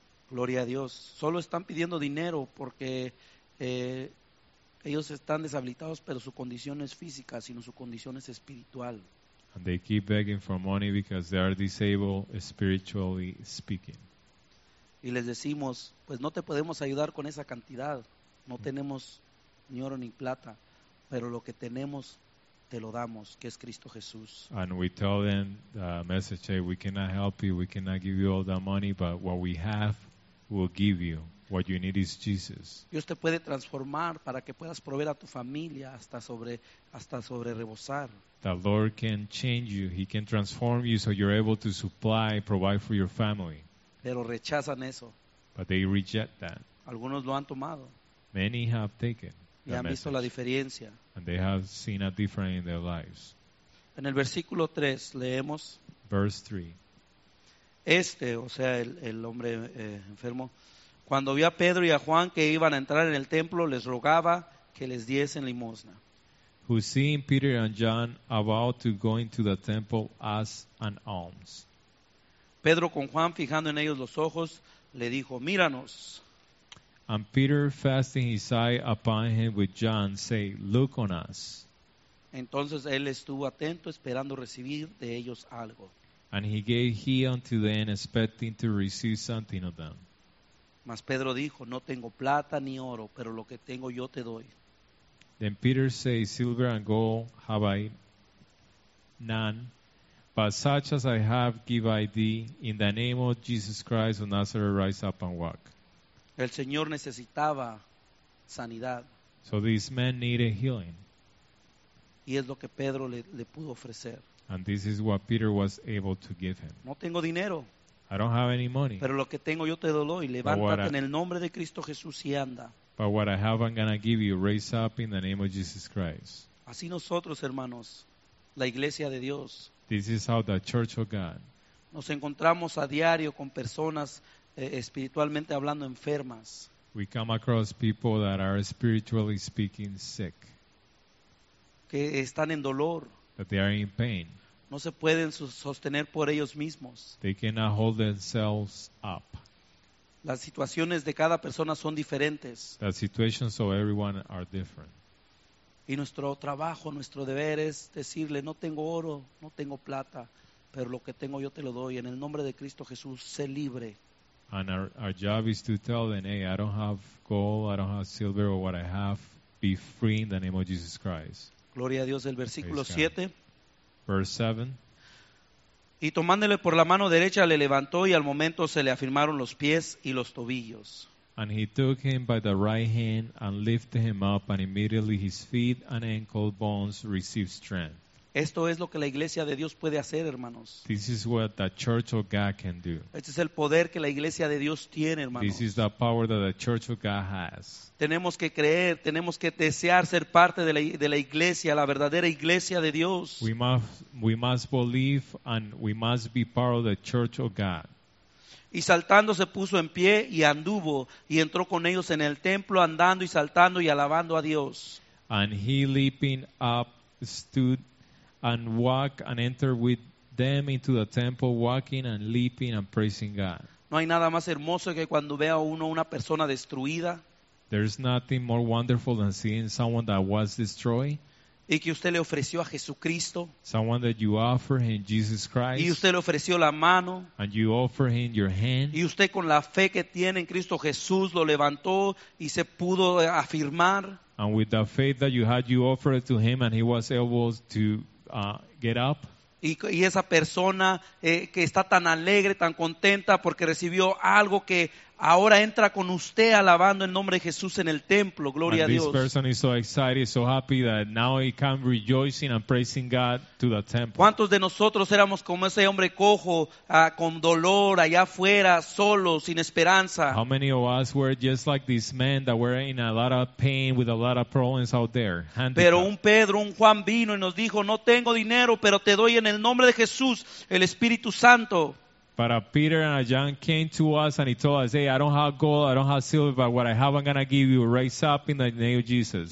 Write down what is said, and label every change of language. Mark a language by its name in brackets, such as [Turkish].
[Spanish] Gloria a Dios. Solo están pidiendo dinero porque ellos están deshabilitados, pero su condición no es física, sino su condición es espiritual. [English] And they keep begging for money because they are disabled spiritually speaking. [Spanish] Y les decimos, pues no te podemos ayudar con esa cantidad. No tenemos ni oro ni plata, pero lo que tenemos te lo damos, que es Cristo Jesús. [English] And we tell them the message, hey, we cannot help you, we cannot give you all the money, but what we have will give you. What you need is Jesus. [Spanish] Dios te puede transformar para que puedas proveer a tu familia hasta sobre rebosar. [English] The Lord can change you. He can transform you so you're able to supply, provide for your family. [Spanish] Pero rechazan eso. [English] But they reject that. [Spanish] Algunos lo han tomado. [English] Many have taken [Spanish] y han visto la diferencia. [English] And they have seen a difference in their lives. [Spanish] En el versículo 3 leemos. [English] Verse 3. [Spanish] Este, o sea, el hombre enfermo, cuando vio a Pedro y a Juan que iban a entrar en el templo, les rogaba que les diesen limosna. [English] who seeing Peter and John about to go into the temple as an alms. [Spanish] Pedro con Juan fijando en ellos los ojos, le dijo, míranos. [English] And Peter, fasting his eye upon him with John, say, look on us. [Spanish] Entonces él estuvo atento, esperando recibir de ellos algo. [English] And he gave heed unto them, expecting to receive something of them. [Spanish] Mas Pedro dijo, no tengo plata ni oro, pero lo que tengo yo te doy. [English] Then Peter said, silver and gold have I none, but such as I have give I thee. In the name of Jesus Christ of Nazareth, rise up and walk. [Spanish] El Señor necesitaba sanidad. [English] So this man needed healing. [Spanish] Y es lo que Pedro le pudo ofrecer. [English] And this is what Peter was able to give him. [Spanish] No tengo dinero. [English] I don't have any money. [Spanish] Pero lo que tengo yo te doy. Levántate en el nombre de Cristo Jesús y anda. [English] But what I have I'm going to give you. Raise up in the name of Jesus Christ. [Spanish] Así nosotros, hermanos, la iglesia de Dios. [English] This is how the church of God. [Spanish] Nos encontramos a diario con personas espiritualmente hablando enfermas. [English] We come across people that are spiritually speaking sick. [Spanish] Que están en dolor. [English] That they are in pain. [Spanish] No se pueden sostener por ellos mismos. [English] They cannot hold themselves up. [Spanish] Las situaciones de cada persona son diferentes. [English] The situations of everyone are different. [Spanish] Y nuestro trabajo, nuestro deber es decirle, no tengo oro, no tengo plata, pero lo que tengo yo te lo doy. En el nombre de Cristo Jesús, sé libre. [English] And our job is to tell them, hey, I don't have gold, I don't have silver, or what I have, be free in the name of Jesus Christ. [Spanish] Gloria a Dios, el versículo 7. [English] Verse 7. [Spanish] Y tomándole por la mano derecha le levantó y al momento se le afirmaron los pies y los tobillos. [English] And he took him by the right hand and lifted him up, and immediately his feet and ankle bones received strength. [Spanish] Esto es lo que la iglesia de Dios puede hacer, hermanos. [English] This is what the church of God can do. [Spanish] Este es el poder que la iglesia de Dios tiene, hermanos. [English] This is the power that the church of God has. [Spanish] Tenemos que creer, tenemos que desear ser parte de la iglesia, la verdadera iglesia de Dios. [English] We must believe and we must be part of the church of God. [Spanish] Y saltando se puso en pie y anduvo y entró con ellos en el templo andando y saltando y alabando a Dios. [English] And he leaping up stood and walk and enter with them into the temple, walking and leaping and praising God. [Spanish] No hay nada más hermoso que cuando vea uno una persona destruida. [English] There's nothing more wonderful than seeing someone that was destroyed. [Spanish] Y que usted le ofreció a Jesucristo. [English] Someone that you offer him, Jesus Christ. [Spanish] Y usted le ofreció la mano. [English] And you offer him your hand. [Spanish] Y usted con la fe que tiene en Cristo Jesús lo levantó y se pudo afirmar. [English] And with the faith that you had, you offered it to him and he was able to get up. [Spanish] Y esa persona que está tan alegre, tan contenta porque recibió algo, que ahora entra con usted alabando el nombre de Jesús en el templo. Gloria [English] and [Spanish] a Dios. [English] This person is so excited, so happy that now he can rejoicing and praising God to the temple. [Spanish] ¿Cuántos de nosotros éramos como ese hombre cojo, con dolor allá afuera, solo, sin esperanza? [English] How many of us were just like this man that were in a lot of pain with a lot of problems out there? Handicap. [Spanish] Pero un Pedro, un Juan vino y nos dijo, no tengo dinero, pero te doy en el nombre de Jesús el Espíritu Santo. [English] But a Peter and a John came to us and he told us, hey, I don't have gold, I don't have silver, but what I have I'm going to give you, raise up in the name of Jesus.